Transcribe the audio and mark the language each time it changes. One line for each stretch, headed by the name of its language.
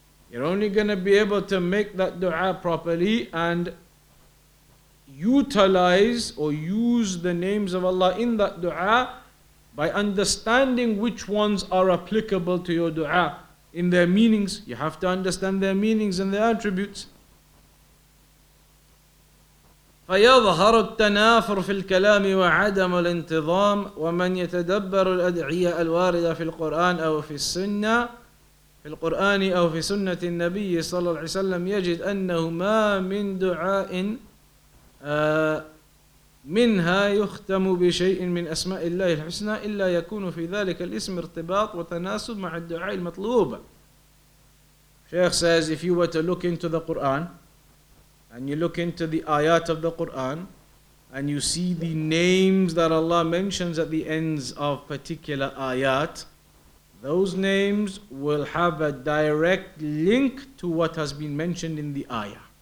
English: You're only going to be able to make that dua properly and utilize or use the names of Allah in that dua by understanding which ones are applicable to your dua in their meanings. You have to understand their meanings and their attributes.
Arabic: فَيَظْهَرُ التَّنَافُرُ فِي الْكَلَامِ وَعَدَمُ الْإِنْتِظَامِ وَمَنْ يَتَدَبَّرُ الْأَدْعِيَةَ الْوَارِدَةَ فِي الْقُرْآنِ أَوْ فِي السُّنَّةِ النَّبِيِّ صلى الله عليه وسلم يجد أنه ما من دعاء منها يختم بشيء من أسماء الله الحسنى إلا يكون في ذلك الاسم ارتباط وتناسب مع الدعاء المطلوب.
English: Sheikh says, if you were to look into the Quran and you look into the ayat of the Quran and you see the names that Allah mentions at the ends of particular ayat, those names will have a direct link to what has been mentioned in the ayah.